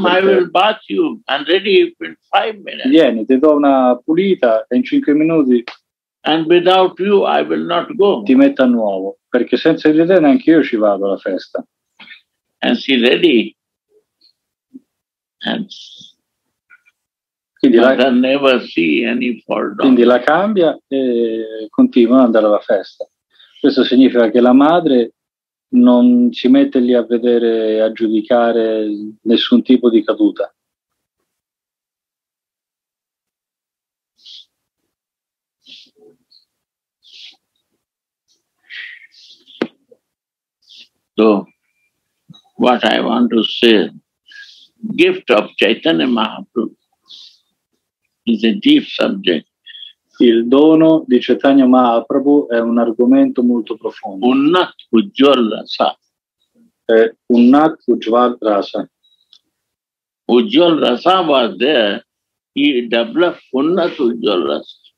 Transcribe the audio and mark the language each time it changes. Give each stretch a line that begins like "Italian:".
English: Come, I will bath you and ready in 5 minutes.
Italian: Vieni, ti do una pulita e in 5 minuti.
English: And without you I will not go.
Italian: Ti metto a nuovo, perché senza di te neanche io ci vado alla festa.
English: And she ready. And
Italian: quindi la cambia e continua ad andare alla festa. Questo significa che la madre non si mette lì a vedere, a giudicare nessun tipo di caduta.
English: So, what I want to say, gift of Chaitanya Mahaprabhu. Is a deep subject.
Italian: Il dono di Chaitanya Mahaprabhu è un argomento molto profondo.
Sanskrit: Unnat ujjwal rasa. Unnat ujjwal rasa.
English: Ujjwal rasa was there. He developed unnat ujjwal rasa.